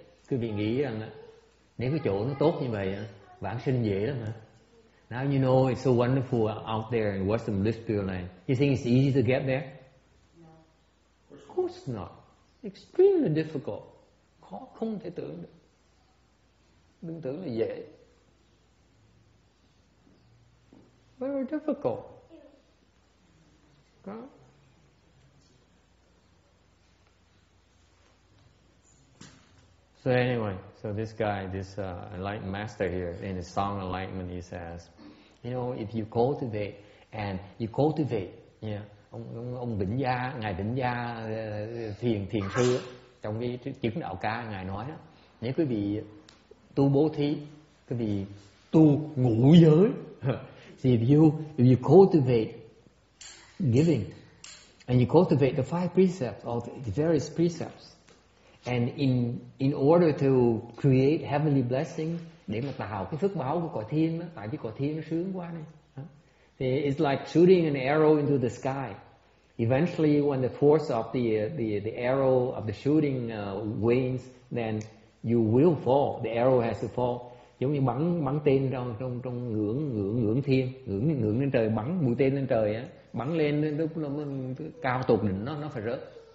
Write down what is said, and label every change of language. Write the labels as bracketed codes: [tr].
[vi] Quý vị nghĩ rằng nếu cái chỗ nó tốt như vậy, vãng sinh dễ lắm hả? [en] Now you know it's so wonderful out there in Western bliss pure land. You think it's easy to get there? No. Of course not. Extremely difficult. [vi] Khó không thể tưởng được. Đừng tưởng là dễ. [en] Very difficult. [vi] Đó. [en] So anyway, so this guy, this enlightened master here, in his song Enlightenment, he says, you know, if you cultivate, and you cultivate, yeah, [vi] ông Đỉnh Gia, Ngài Đỉnh Gia, thiền sư, trong cái chứng đạo ca ngài nói đó, nếu quý vị tu bố thí, quý vị tu ngũ giới, thì [en] if you cultivate giving and you cultivate the five precepts or the various precepts, and in order to create heavenly blessings, [vi] để mà tạo cái phước báo của cõi thiên, tại vì cõi thiên nó sướng quá này. [en] Thì it's like shooting an arrow into the sky. Eventually, when the force of the arrow of the shooting wanes, then you will fall. The arrow has to fall. [vi] Giống như bắn tên trong ngưỡng thiên, ngưỡng lên trời, bắn mũi tên lên trời á, bắn lên lúc nó cao tột đỉnh nó phải rớt.